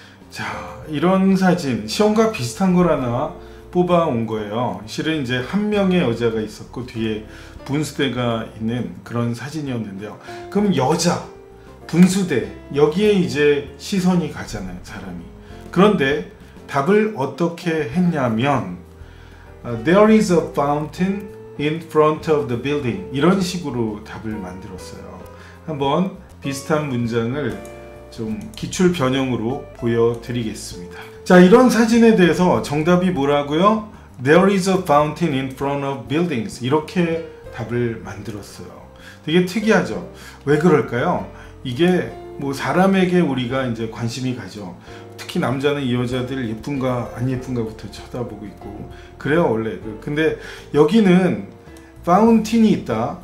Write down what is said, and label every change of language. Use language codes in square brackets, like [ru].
[ko] 자, 이런 사진 시험과 비슷한 걸 하나 뽑아온 거예요. 실은 이제 한 명의 여자가 있었고 뒤에 분수대가 있는 그런 사진이었는데요. 그럼 여자, 분수대 여기에 이제 시선이 가잖아요, 사람이. 그런데 답을 어떻게 했냐면 [en] There is a fountain in front of the building [ko] 이런 식으로 답을 만들었어요. 한번 비슷한 문장을 좀 기출 변형으로 보여드리겠습니다. 자, 이런 사진에 대해서 정답이 뭐라고요? [en] There is a fountain in front of buildings. [ko] 이렇게 답을 만들었어요. 되게 특이하죠? 왜 그럴까요? 이게 뭐 사람에게 우리가 이제 관심이 가죠. 특히 남자는 이 여자들 예쁜가 안 예쁜가부터 쳐다보고 있고 그래요, 원래. 근데 여기는 fountain이 있다.